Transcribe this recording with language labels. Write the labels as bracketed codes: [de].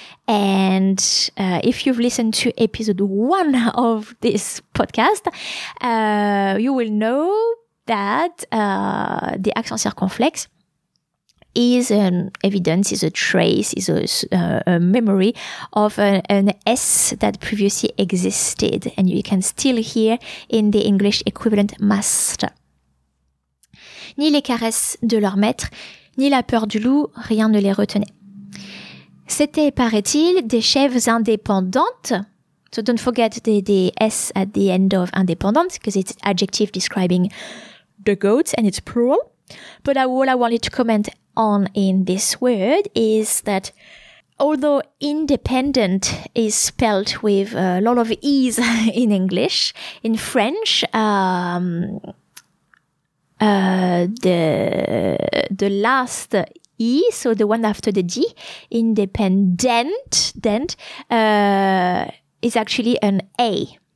[en] And if you've listened to episode one of this podcast, you will know that the accent circonflexe is an evidence, is a trace, is a memory of an S that previously existed. And you can still hear in the English equivalent master. [fr] Ni les caresses de leur maître, ni la peur du loup, rien ne les retenait. C'était, paraît-il, des chèvres indépendantes. [en] So don't forget the S at the end of indépendante, because it's adjective describing the goats and it's plural. But what I wanted to comment on in this word is that although independent is spelled with a lot of E's in English, in French, the last E, so the one after the D, independent, is actually an A.